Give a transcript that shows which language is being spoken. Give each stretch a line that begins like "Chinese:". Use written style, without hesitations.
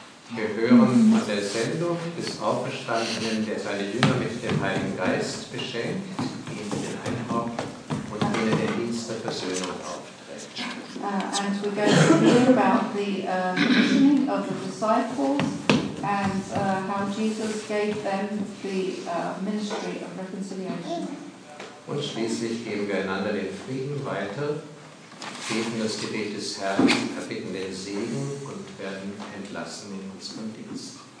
German: Wir hören von der Sendung des Auferstandenen, der seine Jünger mit dem Heiligen Geist beschenkt, ihnen den Einhauch und ihnen den Dienst der Versöhnung aufträgt.
English: And we're going to hear about the commissioning of the disciples and how Jesus gave them the ministry of reconciliation.
German: Und schließlich geben wir einander den Frieden weiter, beten das Gebet des Herrn, erbitten den Segen und werden entlassen in unseren Dienst.